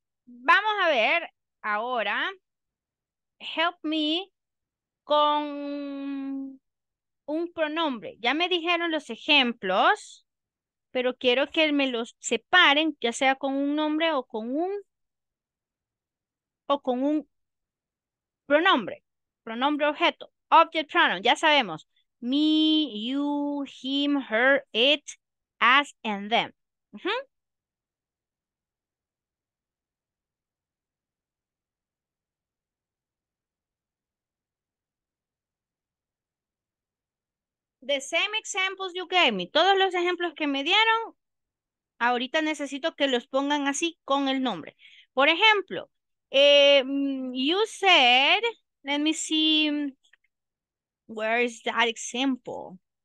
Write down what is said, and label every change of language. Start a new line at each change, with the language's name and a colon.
Spanish: Vamos a ver ahora,
English: help me
Spanish: con un pronombre. Ya me dijeron los ejemplos, pero quiero que me los separen, ya sea con un nombre o con un pronombre. Pronombre objeto,
English: object pronoun,
Spanish: ya sabemos.
English: Me, you, him, her, it, us, and them. Uh-huh. The same examples you gave me.
Spanish: Todos los ejemplos que me dieron, ahorita necesito que los pongan así con el nombre. Por ejemplo,
English: you said, let me see, where is that example?